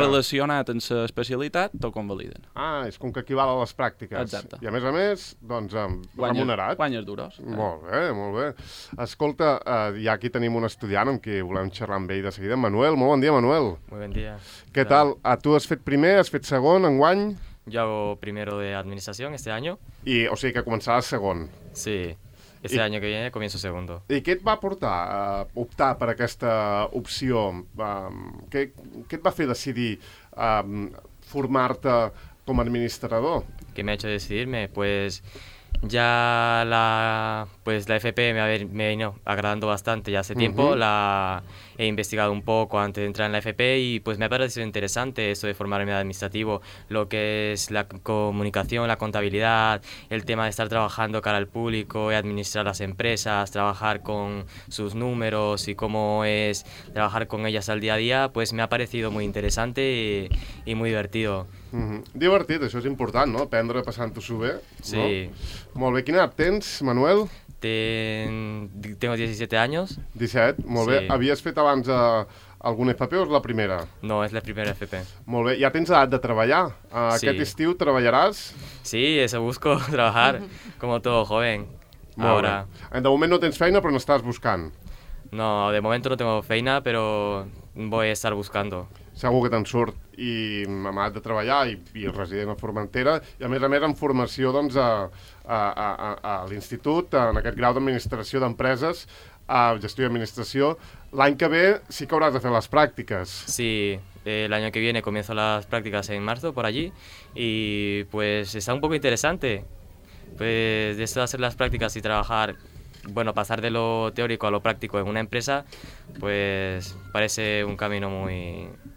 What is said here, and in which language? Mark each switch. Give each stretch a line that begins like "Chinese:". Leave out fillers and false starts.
Catalan: Relacionat amb l'especialitat, t'ho convaliden. Ah, és com que equival a les pràctiques. Exacte. I a més, doncs, remunerat. Guanyes duros. Clar. Molt bé, molt bé. Escolta, ja aquí tenim un estudiant amb qui volem xerrar amb ell de seguida, Manuel. Molt bon dia, Manuel. Molt bon dia. Què tal? Tu has fet primer, has fet segon, enguany?
Spanish: Jo hago primero de administración este año.
Catalan: I, o sigui, que començaràs segon. Sí.
Spanish: Este año que viene comienzo segundo.
Catalan: I què et va portar a optar per aquesta opció? Què et va fer decidir formar-te com a administrador?
Spanish: ¿Qué me ha hecho decidirme? Pues ya la FP me vino agradando bastante ya hace tiempo. La he investigado un poco antes de entrar en la FP y pues me ha parecido interesante eso de formarme de administrativo, lo que es la comunicación, la contabilidad, el tema de estar trabajando cara al público y administrar las empresas, trabajar con sus números y cómo es trabajar con ellas al día a día, pues me ha parecido muy interesante y muy divertido.
Catalan: Divertit, això és important, no? Aprendre passant-ho bé. Sí. No? Molt bé, quina edat tens, Manuel?
Spanish: Tengo 17 anys.
Catalan: 17, molt sí. Bé. Havies fet abans algun FP o és la primera? No, és la primera FP. Molt bé, ja tens edat de treballar. Aquest sí. Estiu treballaràs?
Spanish: Sí, eso busco, trabajar como todo joven.
Catalan: Molt
Spanish: ahora.
Catalan: Bé. De moment no tens feina, però no estàs buscant.
Spanish: No,
Catalan: de moment
Spanish: no tengo feina, però voy a estar buscando.
Catalan: Segur que te'n surt i m'ha de treballar i resident a Formentera i a més en formació doncs, a l'Institut, en aquest grau d'administració d'empreses, a gestió i administració. L'any que ve sí que hauràs de fer les pràctiques.
Spanish: Sí,
Catalan: l'any que
Spanish: viene comienzo las prácticas en marzo por allí y pues está un poco interesante. Pues de esto de hacer las prácticas y trabajar, bueno, pasar de lo teórico a lo práctico en una empresa, pues parece un camino muy...